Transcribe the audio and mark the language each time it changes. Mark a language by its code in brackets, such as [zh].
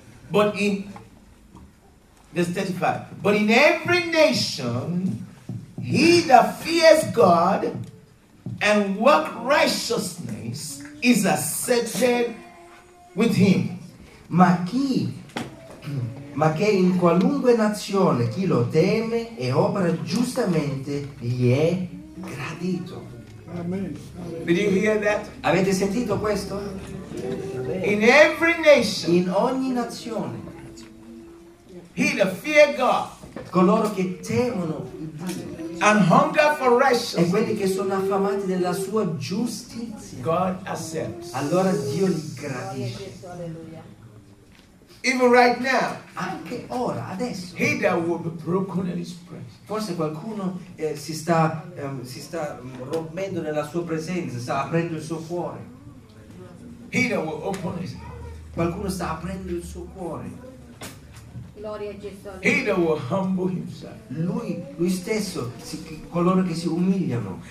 [en] But in every nation, he that fears God and work righteousness is accepted with him. [it] Ma che in qualunque nazione chi lo teme e opera giustamente gli è gradito. [en] Did you hear that? [it] Avete sentito questo? [en] In every nation, [it] in ogni nazione, [en] he that fear God, [it] coloro che temono il Dio, [en] and hunger for righteousness, [it] e quelli che sono affamati della sua giustizia, [en] God accepts. [it] Allora Dio li gradisce. [en] Even right now, [it] anche ora, adesso, [en] he that will be broken in his presence. [it] Forse qualcuno si sta rompendo nella sua presenza, sta aprendo il suo cuore. [en] He that will open his [it] Qualcuno sta aprendo il suo cuore. Gloria a [en] Gesù. He that will humble himself. [it] Lui stesso, coloro che si umiliano.